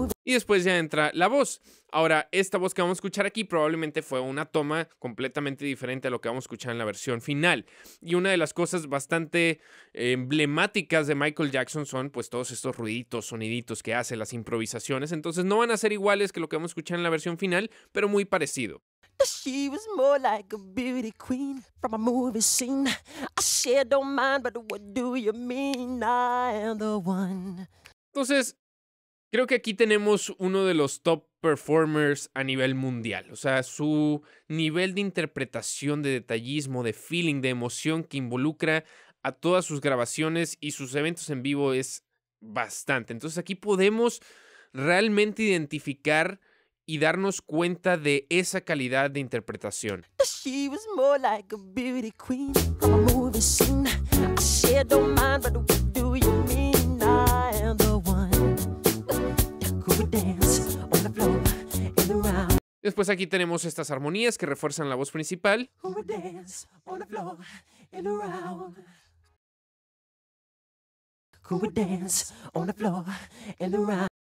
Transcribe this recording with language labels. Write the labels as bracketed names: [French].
[Spanish] Y después ya entra la voz. Ahora, esta voz que vamos a escuchar aquí probablemente fue una toma completamente diferente a lo que vamos a escuchar en la versión final. Y una de las cosas bastante emblemáticas de Michael Jackson son pues todos estos ruiditos, soniditos que hace, las improvisaciones. Entonces no van a ser iguales que lo que vamos a escuchar en la versión final, pero muy parecido. [English] She was more like a beauty queen from a movie scene. I said, don't mind, but what do you mean? I am the one. [Spanish] Entonces, creo que aquí tenemos uno de los top performers a nivel mundial. O sea, su nivel de interpretación, de detallismo, de feeling, de emoción que involucra a todas sus grabaciones y sus eventos en vivo es bastante. Entonces, aquí podemos realmente identificar y darnos cuenta de esa calidad de interpretación. [English] She was more like a beauty queen from a movie scene. I said, don't mind, but what do you mean? I am the one that could dance on the floor in the round. [Spanish] Después aquí tenemos estas armonías que refuerzan la voz principal. [English] Who would dance on the floor in the round? Who would dance on the floor in the round?